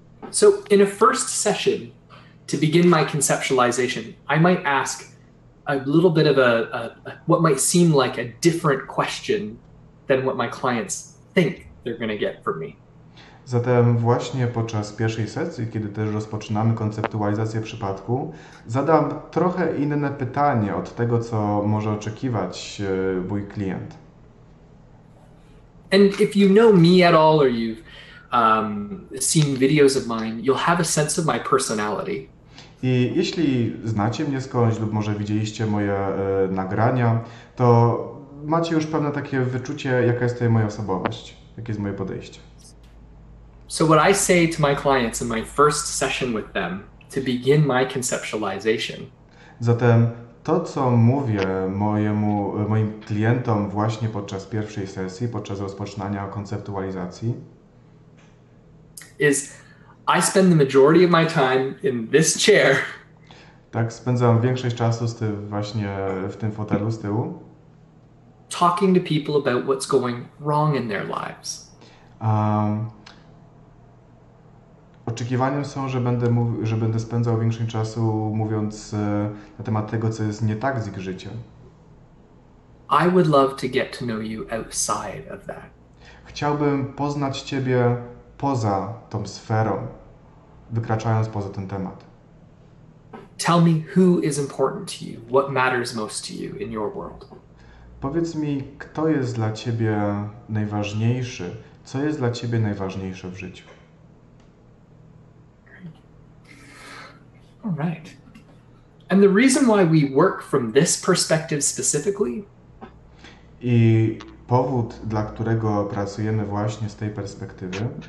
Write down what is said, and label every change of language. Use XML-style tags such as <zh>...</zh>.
<en>So in a first session, to begin my conceptualization, I might ask a little bit of a what might seem like a different question than what my clients think they're going to get from me.</en> <pl>Zatem właśnie podczas pierwszej sesji, kiedy też rozpoczynamy konceptualizację przypadku, zadam trochę inne pytanie od tego, co może oczekiwać mój klient.</pl> <en>And if you know me at all or you've seen videos of mine, you'll have a sense of my personality.</en> <pl>I jeśli znacie mnie skądś lub może widzieliście moje nagrania, to macie już pewne takie wyczucie, jaka jest tutaj moja osobowość, jakie jest moje podejście.</pl> <en>So what I say to my clients in my first session with them to begin my conceptualization.</en> <pl>Zatem to, co mówię moim klientom właśnie podczas pierwszej sesji, podczas rozpoczynania konceptualizacji,</pl> <en>is I spend the majority of my time in this chair.</en> <pl>Tak, spędzam większość czasu właśnie w tym fotelu z tyłu.</pl> <en>talking to people about what's going wrong in their lives.</en> <pl>Oczekiwaniem są, że będę spędzał większą czasu mówiąc na temat tego, co jest nie tak z ich życiem.</pl> <en>I would love to get to know you outside of that.</en> <pl>Chciałbym poznać ciebie poza tą sferą, wykraczając poza ten temat.</pl> <en>Tell me who is important to you, what matters most to you in your world.</en> <pl>Powiedz mi, kto jest dla ciebie najważniejszy, co jest dla ciebie najważniejsze w życiu.</pl> <en>All right. And the reason why we work from this perspective specifically?</en> <pl>I powód, dla którego pracujemy właśnie z tej perspektywy,</pl>